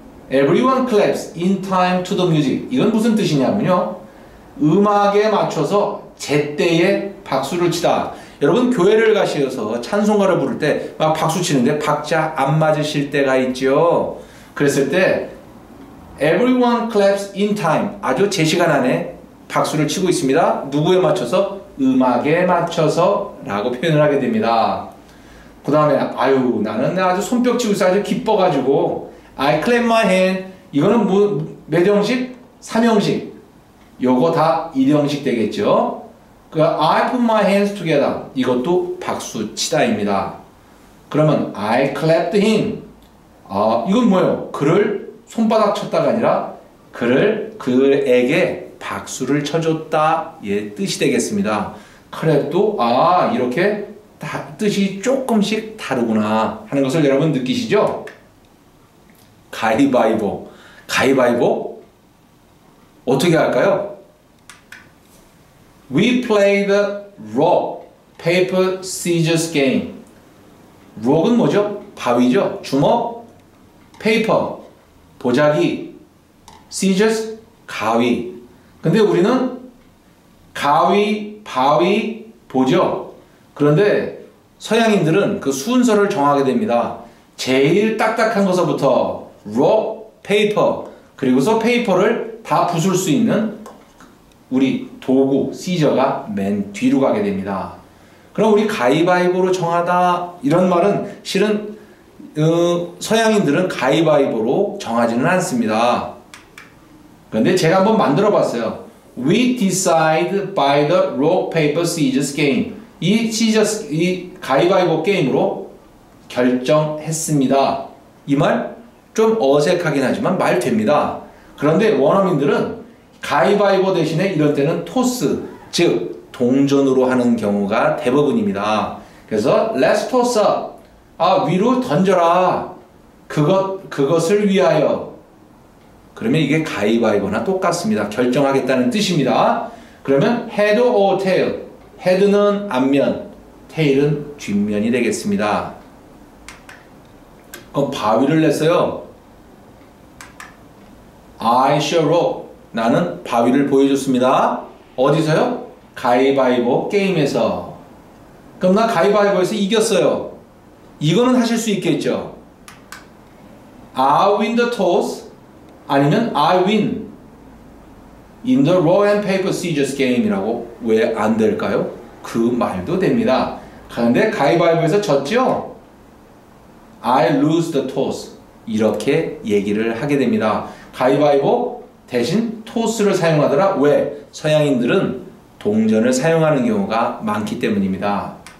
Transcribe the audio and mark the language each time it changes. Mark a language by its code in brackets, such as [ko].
[en] Everyone claps in time to the music. [ko] 이건 무슨 뜻이냐면요. 음악에 맞춰서 제때에 박수를 치다. 여러분 교회를 가셔서 찬송가를 부를 때 막 박수 치는데 박자 안 맞으실 때가 있죠. 그랬을 때 [en] Everyone claps in time. [ko] 아주 제 시간 안에 박수를 치고 있습니다. 누구에 맞춰서? 음악에 맞춰서 라고 표현을 하게 됩니다. 그 다음에 아유 나는 아주 손뼉 치고 있어 아주 기뻐가지고 [en] I clap my hand. [ko] 이거는 매정식? 삼형식. 요거 다 일형식 되겠죠. [en] I put my hands together. [ko] 이것도 박수 치다입니다. 그러면 [en] I clapped him. [ko] 이건 뭐예요? 그를 손바닥 쳤다가 아니라 그를 그에게 박수를 쳐줬다 의 뜻이 되겠습니다. 크랩도 아 이렇게 다 뜻이 조금씩 다르구나 하는 것을 여러분 느끼시죠? 가위바위보, 가위바위보 어떻게 할까요? [en] We play the rock, paper, scissors game. [ko] Rock은 뭐죠? 바위죠? 주먹, paper, 보자기, scissors, 가위. 근데 우리는 가위, 바위, 보죠? 그런데 서양인들은 그 순서를 정하게 됩니다. 제일 딱딱한 것부터 rock, paper, 그리고서 paper를 다 부술 수 있는 우리 도구, 시저가 맨 뒤로 가게 됩니다. 그럼 우리 가위바위보로 정하다 이런 말은 실은 서양인들은 가위바위보로 정하지는 않습니다. 그런데 제가 한번 만들어 봤어요. [en] We decide by the rock, paper, scissors game. [ko] 이 scissors, 이 가위바위보 게임으로 결정했습니다. 이 말 좀 어색하긴 하지만 말 됩니다. 그런데 원어민들은 가위바위보 대신에 이럴 때는 토스, 즉 동전으로 하는 경우가 대부분입니다. 그래서 [en] Let's toss up. [ko] 아, 위로 던져라. 그것을 위하여. 그러면 이게 가위바위보나 똑같습니다. 결정하겠다는 뜻입니다. 그러면 [en] head or tail. [ko] head는 앞면, tail은 뒷면이 되겠습니다. 그럼 바위를 냈어요. [en] I shall rock. [ko] 나는 바위를 보여줬습니다. 어디서요? 가위바위보 게임에서. 그럼 나 가위바위보에서 이겼어요. 이거는 하실 수 있겠죠. [en] I win the toss [ko] 아니면 [en] I win in the rock and paper scissors game이라고 [ko] 왜 안 될까요? 그 말도 됩니다. 그런데 가위바위보에서 졌죠? [en] I lose the toss [ko] 이렇게 얘기를 하게 됩니다. 가위바위보 대신 토스를 사용하더라. 왜? 서양인들은 동전을 사용하는 경우가 많기 때문입니다.